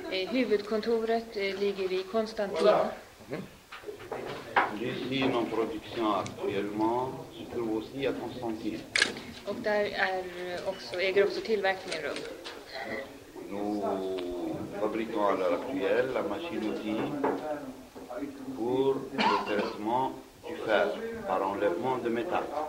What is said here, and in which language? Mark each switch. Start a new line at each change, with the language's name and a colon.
Swedish: Huvudkontoret ligger i Konstantin.
French: L'usine en production actuellement se trouve aussi à Constantine.
Swedish: Och där är också, äger också tillverkningen rum.
French: Nous fabriquons à l'heure actuelle la machine-outil pour le traitement du fer par enlèvement de métal.